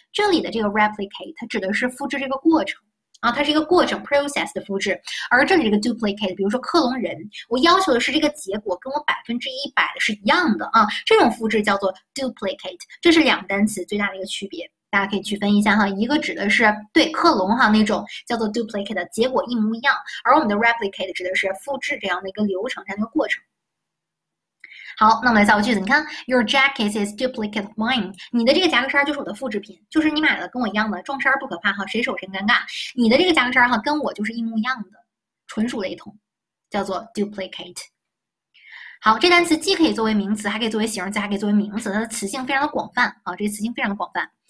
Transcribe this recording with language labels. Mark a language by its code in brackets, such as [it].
[zh] 这里的这个 replicate 它指的是复制这个过程啊，它是一个过程 process 的复制，而这里这个 duplicate，比如说克隆人，我要求的是这个结果跟我100%的是一样的啊，这种复制叫做 duplicate，这是两个单词最大的一个区别，大家可以区分一下哈，一个指的是对克隆哈那种叫做 duplicate 的结果一模一样，而我们的 replicate 指的是复制这样的一个流程，这样的一个过程。好，那我们来造个句子。你看， [en] Your jacket is duplicate of mine。 [zh] 你的这个夹克衫就是我的复制品，就是你买的跟我一样的。撞衫不可怕哈，谁丑谁尴尬。你的这个夹克衫哈，跟我就是一模一样的，纯属雷同，叫做 duplicate。好，这单词既可以作为名词，还可以作为形容词，还可以作为名词，它的词性非常的广泛啊，这个词性非常的广泛。